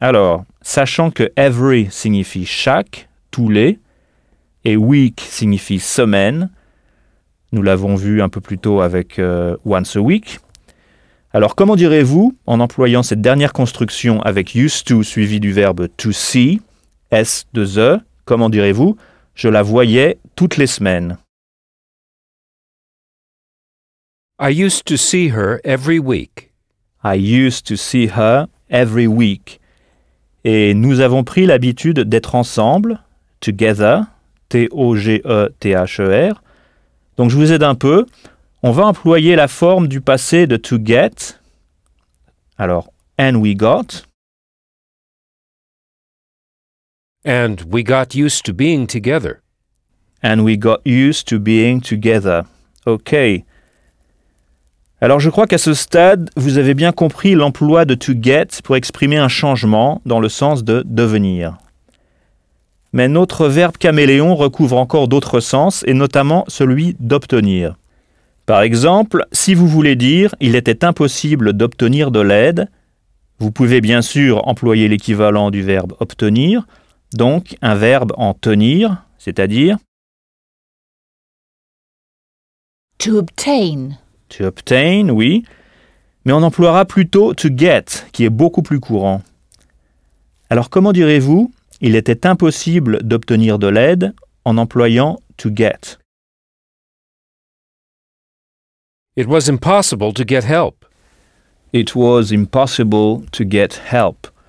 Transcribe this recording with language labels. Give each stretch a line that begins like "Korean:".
French: Alors, sachant que « every » signifie « chaque »,« tous les » et « week » signifie « semaine », nous l'avons vu un peu plus tôt avec « once a week ». Alors, comment direz-vous, en employant cette dernière construction avec « used to » suivi du verbe « to see », « s-2-e », comment direz-vous, « je la voyais toutes les semaines ».
English: I used to see her every week. I used to see her every week.
French: Et nous avons pris l'habitude d'être ensemble, together, T-O-G-E-T-H-E-R. Donc je vous aide un peu. On va employer la forme du passé de to get.
English: Alors, and we got. And we got used to being together. And we got used to being together. OK.
French: Alors, je crois qu'à ce stade, vous avez bien compris l'emploi de to get pour exprimer un changement dans le sens de devenir. Mais notre verbe caméléon recouvre encore d'autres sens, et notamment celui d'obtenir. Par exemple, si vous voulez dire « il était impossible d'obtenir de l'aide », vous pouvez bien sûr employer l'équivalent du verbe « obtenir », donc un verbe en tenir, c'est-à-dire
English: to obtain. To obtain, oui.
French: Mais on emploiera plutôt to get, qui est beaucoup plus courant. Alors comment direz-vous il était impossible d'obtenir de l'aide en employant to get?
English: It was impossible to get help. It was impossible to get help.